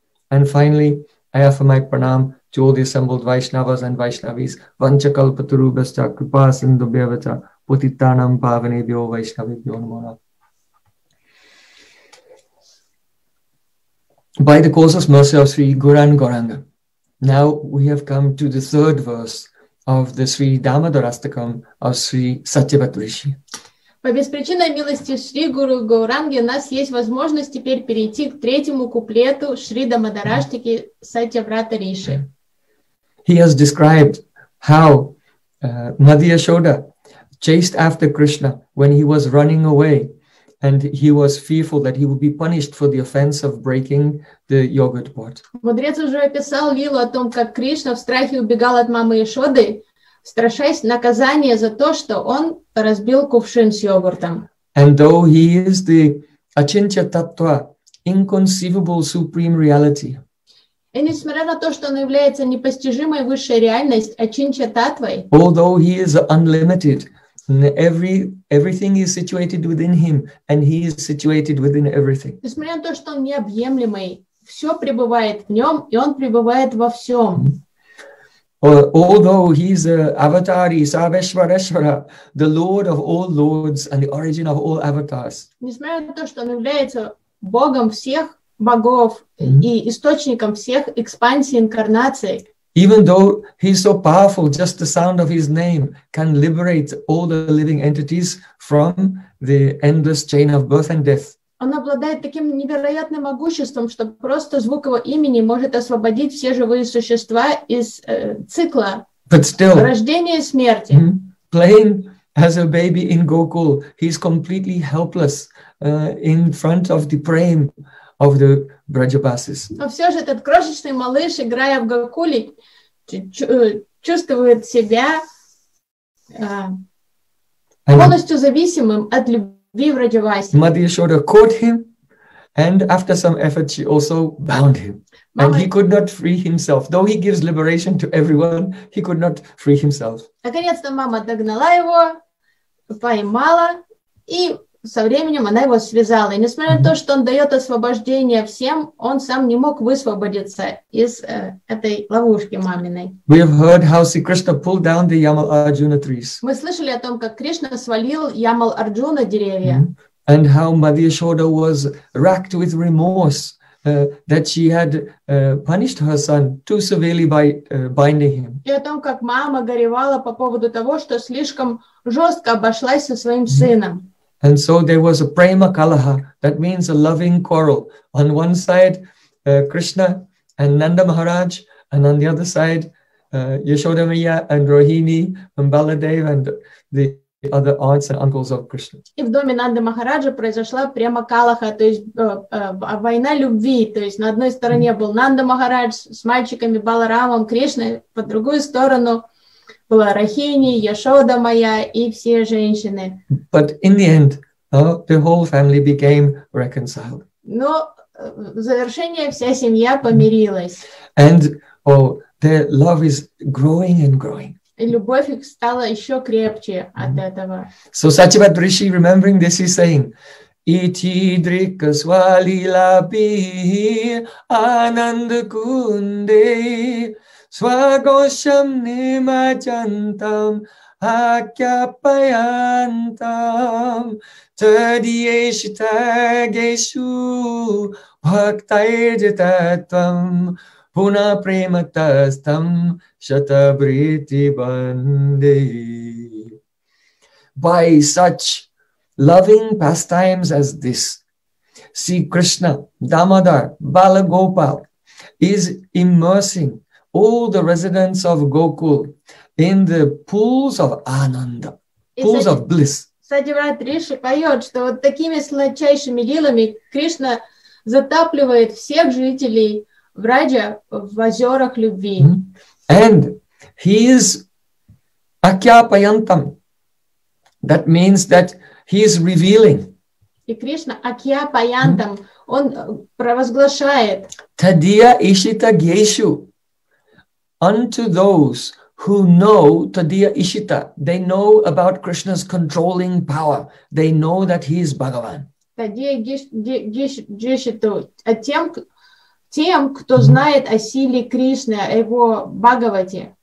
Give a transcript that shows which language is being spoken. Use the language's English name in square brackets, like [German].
[English] And finally, I offer my pranam to all the assembled Vaishnavas and Vaishnavis, [Sanskrit] Vanchakalpaturubhyascha Kripasindubhyavacha Putitanam Pavanebhyo Vaishnavibhyo Namonam. [English] By the causeless mercy of Sri Guran Gauranga, now we have come to the third verse of the Sri Damodarashtakam of Sri Satyavat Rishi. [Russian] По беспричинной милости Шри Гуру Гауранги у нас есть возможность теперь перейти к третьему куплету Шри Дамодараштаки Сатьяврата Риши. [English] He has described how Madhya Shoda chased after Krishna when he was running away and he was fearful that he would be punished for the offense of breaking the yogurt pot. [Russian] Мудрец уже описал лилу о том, как Кришна в страхе убегал от мамы Ишоды, страшась наказания за то, что он разбил кувшин с йогуртом. [English] And though he is the Achintya Tattva, inconceivable supreme reality. [Russian] И несмотря на то, что он является непостижимой высшей реальностью, Achintya Tattvой. [English] Although he is unlimited, everything is situated within him, and he is situated within everything. [Russian] Несмотря на то, что он необъемлемый, все пребывает в нем, и он пребывает во всем. [English] Although he is avatari, Sarveshwareshwara, the Lord of all lords and the origin of all avatars. [Russian] Несмотря на то, что он является Богом всех богов и источником всех экспансий инкарнаций. [English] Even though he is so powerful, just the sound of his name can liberate all the living entities from the endless chain of birth and death. [Russian] Он обладает таким невероятным могуществом, что просто звук его имени может освободить все живые существа из цикла рождения и смерти. [English] Playing as a baby in Gokul, he's completely helpless in front of the Prem of the Brajabasis. [Russian] Но все же этот крошечный малыш, играя в Гокуле, чувствует себя полностью зависимым от любви. [English] Mother Yashoda caught him, and after some effort, she also bound him. Mama, and he could not free himself. Though he gives liberation to everyone, he could not free himself. [Russian] Наконец-то мама догнала его, поймала, и со временем она его связала. И несмотря на то, что он дает освобождение всем, он сам не мог высвободиться из этой ловушки маминой. [English] We have heard how Sri Krishna pulled down the Yamal Arjuna trees. [Russian] Мы слышали о том, как Кришна свалил Ямал Арджуна деревья. [English] And how Mother Yashoda was racked with remorse that she had punished her son too severely by binding him. [Russian] И о том, как мама горевала по поводу того, что слишком жестко обошлась со своим сыном. [English] And so there was a prema kalaha, that means a loving quarrel. On one side, Krishna and Nanda Maharaj, and on the other side, Yashoda Maiya and Rohini and Baladev and the other aunts and uncles of Krishna. [Russian] И в доме Нанды Махараджа произошла према калаха, то есть война любви. То есть на одной стороне был Нанда Махарадж с мальчиками Баларамом, Кришна, по другую сторону была Рахини, Яшода моя и все женщины. [English] But in the end, the whole family became reconciled. [Russian] Но в завершение вся семья помирилась. [English] And their love is growing and growing. [Russian] И любовь их стала еще крепче от этого. [Sanskrit] So Сачивад Риши, [English] remembering this, is saying, [Sanskrit] Ити дрика свали лапи ананда кунде Swagosham nimajantam akyapayantam tadyeshtageshu bhaktairjatatvam puna prematastam shatabriti bande. [English] By such loving pastimes as this, Sri Krishna, Damodar, Balagopal is immersing all the residents of Gokul in the pools of ananda, pools of bliss. [Russian] Сачивад Риши поет, что вот такими сладчайшими лилами Кришна затапливает всех жителей Враджа в озерах любви. [English] And he is akyapayantam. That means that he is revealing. [Russian] И Кришна акьяпаянтам, он провозглашает. [Sanskrit] Тадия ишита гейшу. [English] Unto those who know Tadiya Ishita, they know about Krishna's controlling power. They know that he is Bhagavan. [Russian] Tadiya Ishita, а тем, кто знает о силе Кришны, о его Бхагавате.